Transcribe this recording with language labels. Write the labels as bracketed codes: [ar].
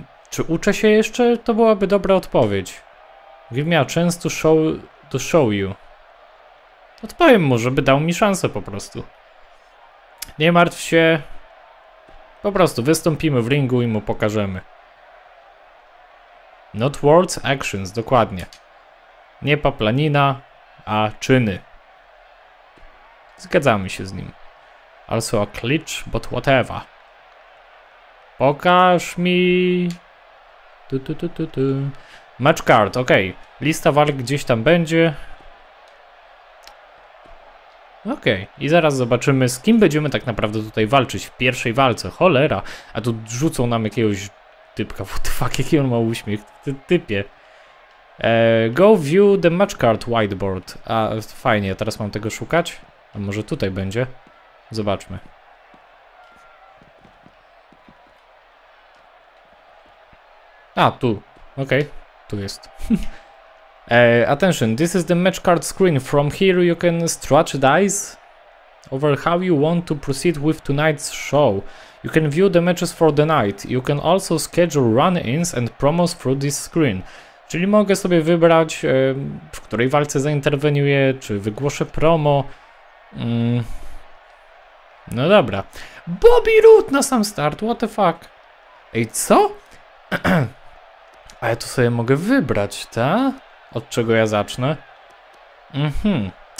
[pl] Czy uczę się jeszcze? To byłaby dobra odpowiedź. [en] Give me a chance to show you. [pl] Odpowiem mu, żeby dał mi szansę po prostu. Nie martw się. Po prostu wystąpimy w ringu i mu pokażemy. [en] Not words, actions, [pl] dokładnie. Nie paplanina, a czyny. Zgadzamy się z nim. [en] Also a glitch, but whatever. [pl] Pokaż mi... Tu. Match card, okej. Okay. Lista walk gdzieś tam będzie. Okej. Okay. I zaraz zobaczymy, z kim będziemy tak naprawdę tutaj walczyć w pierwszej walce. Cholera. A tu rzucą nam jakiegoś typka. [en] What the fuck, [pl] jaki on ma uśmiech. Typie. [en] Go view the match card whiteboard. [pl] A fajnie, teraz mam tego szukać. A może tutaj będzie? Zobaczmy. A, tu. Okej, okay. Tu jest. [en] attention, this is the match card screen. From here you can strategize over how you want to proceed with tonight's show. You can view the matches for the night. You can also schedule run-ins and promos through this screen. [pl] Czyli mogę sobie wybrać, w której walce zainterweniuję, czy wygłoszę promo. No dobra. Bobby Roode na sam start, [en] what the fuck? [pl] Ej, co? A ja tu sobie mogę wybrać, tak? Od czego ja zacznę? Mhm.